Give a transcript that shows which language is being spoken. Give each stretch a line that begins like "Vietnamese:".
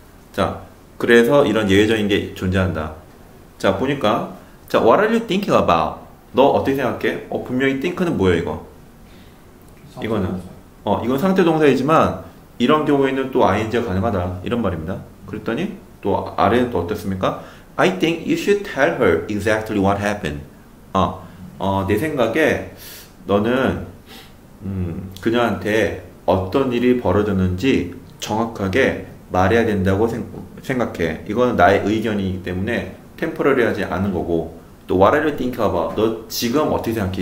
Korean: 자, 그래서 이런 예외적인 게 존재한다. 자, 보니까 자,
English: What are you thinking about?
Korean: 너 어떻게 생각해? 분명히 think는 뭐예요, 이거? 이거는? 이건 상태 동사이지만, 이런 경우에는 또 ing가 가능하다. 이런 말입니다. 그랬더니, 또 아래는 또 어떻습니까?
English: I think you should tell her exactly what happened.
Korean: 내 생각에 너는, 그녀한테 어떤 일이 벌어졌는지 정확하게 말해야 된다고 생각해. 이거는 나의 의견이기 때문에 temporary 하지 않은 거고, 또
English: what are you thinking about?
Korean: 너 지금 어떻게 생각해?